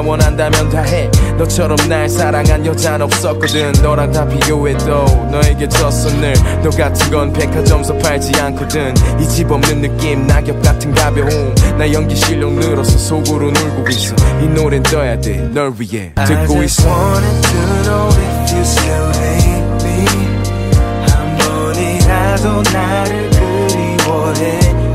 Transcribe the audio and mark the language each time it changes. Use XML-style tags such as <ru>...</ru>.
<ko>원한다면 다 해. 너처럼 날 사랑한 여잔 없었거든. 너랑 다 비교해도 너에게 졌어 늘. 너 같은 건 백화점서 팔지 않거든. 이 집 없는 느낌 낙엽 같은 가벼움. 나 연기 실력 늘어서 속으로 울고 있어. 이 노래는 떠야 돼 널 위해 듣고 있어.</ko> <en>I just wanted to know if you still hate me.</en> <ko>한 번이라도 나를 그리워해.</ko>